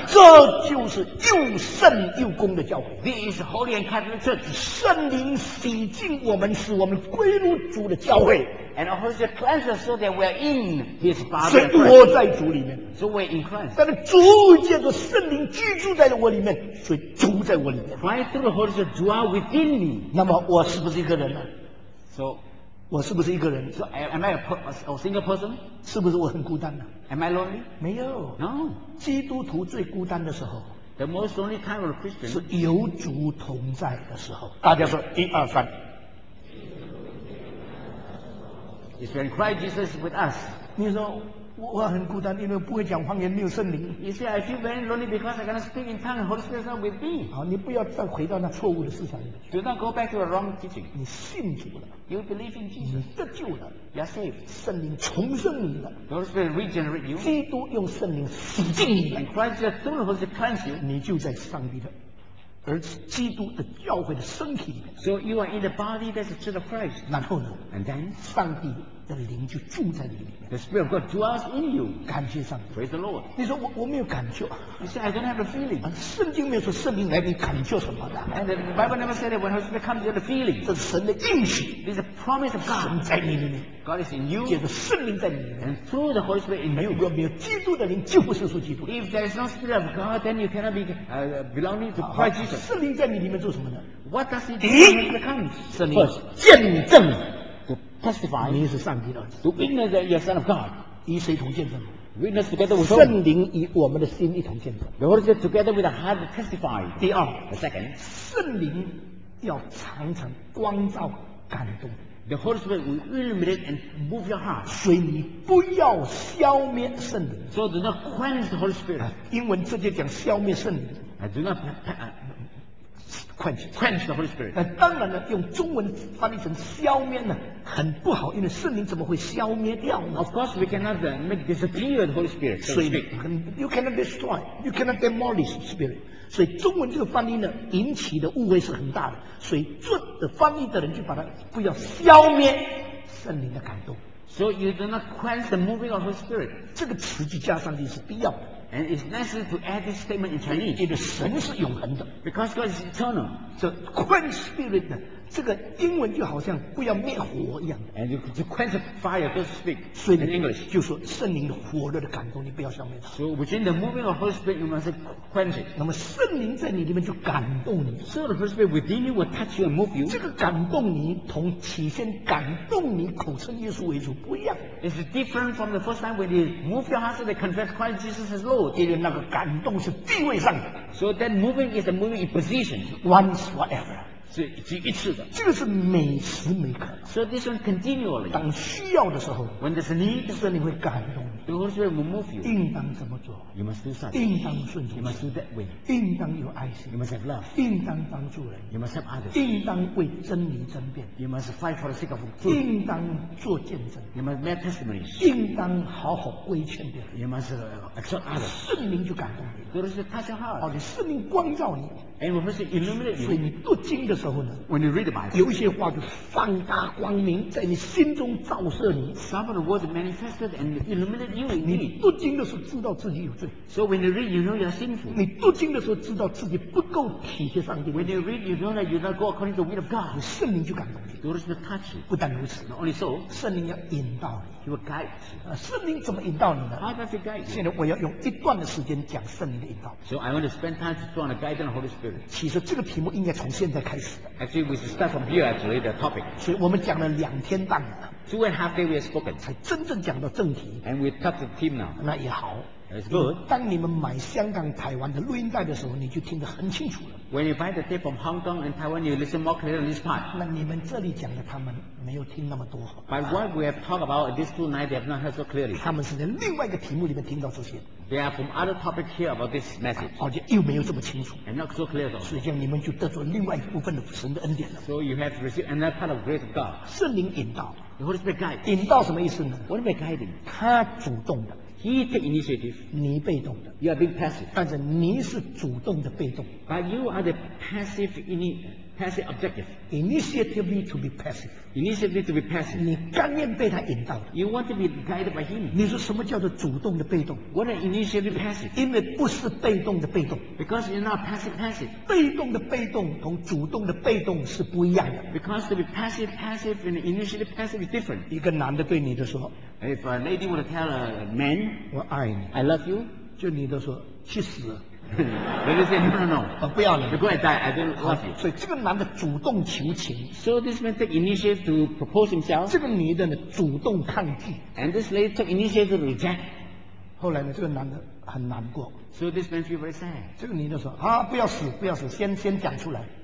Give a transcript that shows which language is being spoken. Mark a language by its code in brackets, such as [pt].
[zh] 这就是又圣又公的教会。 [en] This is holy and Catholic church. [zh] 圣灵洗净我们，使我们归入主的教会。 [en] And also the cleanser so that we are in His body. [zh] 所以我在主里面。 [en] So we're in Christ. [zh] 但是主借着圣灵居住在我里面，所以主在我里面。 [en] Christ through the Holy Spirit dwell within me. [zh] 那么我是不是一个人呢 [en] ？So, [zh] 我是不是一个人 [en] ？So am I a single person? [zh] 是不是我很孤单呢 [en] ？Am I lonely? [zh] 没有。 [en] No. [zh] 基督徒最孤单的时候。 [en] The most lonely time of a Christian. [zh] 是有主同在的时候。大家说一二三。 [en] It's when Christ Jesus is with us. [zh] 你说我很孤单，因为不会讲方言，没有圣灵。 [en] You see, I feel very lonely because I cannot speak in tongues. Holy Spirit is not with me. [zh] 好，你不要再回到那错误的思想里面。 [en] Do not go back to a wrong teaching. [zh] 你信主了。 [en] You believe in Jesus. [zh] 你得救了。 [en] You are saved. [zh] 圣灵重生你了。 [en] Holy Spirit regenerate you. [zh] 基督用圣灵洗净你了。 [en] And Christ Jesus through the Holy Spirit cleanse you. [zh] 你就在上帝的。而基督的教会的身体里面 [en] ，So you are in the body that's church of Christ. [zh] 然后呢 [en] ？And then， [zh] 上帝的灵就住在你里面。 [en] The Spirit of God dwells in you. [zh] 感谢上帝。 [en] Praise the Lord. [zh] 你说我没有感觉。 [en] You say I don't have a feeling. [zh] 圣经没有说圣灵来你感觉什么的。 [en] And the Bible never said that when Holy Spirit comes, you have a feeling. [zh] 这是神的应许。 [en] This is a promise of God. [zh] 神在你里面。 [en] God is in you. [zh] 借着圣灵在你里面。 [en] Through the Holy Spirit in you. [zh] 如果没有基督的灵，就不是属基督。 [en] If there is no Spirit of God, then you cannot be belonging to Christ Jesus. [zh] 圣灵在你里面做什么呢 [en] ？What does it do when it comes? [zh] 圣灵见证 [en] ，to testify， [zh] 你是上帝的儿子 [en] ，to witness that you are Son of God， [zh] 与谁同见证 [en] ？Witness together with [zh] 圣灵与我们的心一同见证 [en] ，the Holy Spirit together with the heart testify。 [zh] 第二 [en] ，the second， [zh] 圣灵要常常光照感动 [en] ，the Holy Spirit will illuminate and move your heart， [zh] 所以你不要消灭圣灵 [en] ，so do not quench the Holy Spirit。 [zh] 英文直接讲消灭圣灵 [en] ，I do not。 Quench the Holy Spirit. [zh] 那当然了，用中文翻译成消灭呢，很不好，因为圣灵怎么会消灭掉呢 [en] ？Of course, we cannot make disappear the Holy Spirit. 所以 ，you cannot destroy, you cannot demolish Spirit. [zh] 所以中文这个翻译呢，引起的误会是很大的。所以做的翻译的人就把它不要消灭圣灵的感动。 [en] So you do not quench the moving of the Spirit. [zh] 这个词句加上去是必要的。 [en] And it's necessary to add this statement in Chinese. [zh] 因为神是永恒的 [en] ，because God is eternal. So quench spirit 呢？ [zh] 这个英文就好像不要灭火一样。 [en] And to quench fire, don't speak. [zh] 所以 [en] in English [zh] 就说圣灵的火热的感动，你不要消灭。 [en] So within the moving of Holy Spirit, you must quench it. [zh] 那么圣灵在你里面就感动你。 [en] So the Holy Spirit within you will touch you and move you. [zh] 这个感动你同起先感动你口称耶稣为主不一样。 [en] It's different from the first time when you move your heart to confess Christ Jesus as Lord. [zh] 因为那个感动是地位上的。 [en] So that moving is a moving in position. Once forever. [zh] 是一次的，这个是每时每刻。 [en] So this one continually. [zh] 当需要的时候 [en] ，when there's a need， [zh] 圣灵会感动你。 [en] The Holy Spirit will move you. [zh] 应当怎么做 [en] ？You must do such. [zh] 应当顺从。 [en] You must do that way. [zh] 应当有爱心。 [en] You must have love. [zh] 应当帮助人。 [en] You must help others. [zh] 应当为真理争辩。 [en] You must fight for the sake of truth. [zh] 应当做见证。 [en] You must make testimony. [zh] 应当好好规劝别人。 [en] You must exhort others. [zh] 圣灵就感动你。 [en] The Holy Spirit touch your heart. [zh] 好，你圣灵光照你。 [en] And we must illuminate you. [zh] 所以你读经的时候呢 [en] ，When you read the Bible， [zh] 有一些话就放大光明，在你心中照射你。 [en] Some of the words manifested and illuminated you. [zh] 你读经的时候知道自己有罪。 [en] So when you read, you know you're sinful. [zh] 你读经的时候知道自己不够体贴上帝。 [en] When you read, you know that you don't go according to the will of God. [zh] 圣灵就感动你。 [en] The Holy Spirit touch you. [zh] 不但如此 [en] ，Not only so， [zh] 圣灵要引导你。 [en] He will guide you. [zh] 圣灵怎么引导你呢 [en] ？How does he guide you？ [zh] 现在我要用一段的时间讲圣灵的引导。 [en] So I want to spend time to draw on the guidance of the Holy Spirit. [zh] 其实这个题目应该从现在开始的。 [en] Actually, we should start from here actually the topic. [zh] 所以我们讲了两天半了。 [en] Two and a half day we have spoken. [zh] 才真正讲到正题。 [en] And we touch the theme now. [zh] 那也好。 [en] It's good. [zh] 当你们买香港、台湾的录音带的时候，你就听得很清楚了。 [en] When you buy the tape from Hong Kong and Taiwan, you listen more clearly on this part. [zh] 那你们这里讲的，他们没有听那么多。 [en] By what we have talked about these two nights, they have not heard so clearly. [zh] 他们是在另外一个题目里面听到这些。 [en] They are from other topic here about this message. [zh] 而且又没有这么清楚。 [en] And not so clear though. [zh] 实际上你们就得到另外一部分的神的恩典了。 [en] So you have received another part of grace of God. [zh] 圣灵引导。 [en] The Holy Spirit guides. [zh] 引导什么意思呢 [en] ？What about guiding? [zh] 他主动的。 [en] He take initiative. [zh] 你被动的。 [en] You are being passive. [zh] 但是你是主动的被动。 [en] But you are the passive objective. Initiatively to be passive. Initiatively to be passive. [zh] 你甘愿被他引导的。 [en] You want to be guided by him. [zh] 你说什么叫做主动的被动 [en] ？What are initiatively passive? [zh] 因为不是被动的被动。 [en] Because you're not passive. [zh] 被动的被动同主动的被动是不一样的。 [en] Because to be passive and initiatively passive is different. [zh] 一个男的对你的说。 [en] If a lady would tell a man, [zh] 我爱你 [en] I love you, [zh] 就你都说去死。 [en] Lady said, no, [zh] 我不要你。 [en] You go and die, I don't love you. [zh] 所以这个男的主动求情。 [en] So this man took initiative to propose himself. [zh] 这个女的呢主动抗拒。 [en] And this lady took initiative to reject. [zh] 后来呢，这个男的很难过。 [en] So this man feel very sad. [zh] 这个女的说：“啊，不要死，不要死，先讲出来。”